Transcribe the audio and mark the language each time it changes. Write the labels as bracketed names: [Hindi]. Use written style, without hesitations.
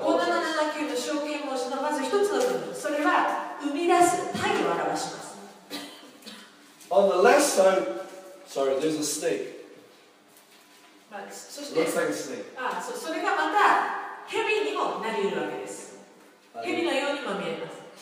[Japanese] この七七九の象形文字のまず一つの部分、それは生み出す胎を表します。 [English] On the left side, sorry, there's a snake. [Japanese] そして、 [English] looks like a snake. [Japanese] それがまた蛇にもなりうるわけです。蛇のようにも見えます。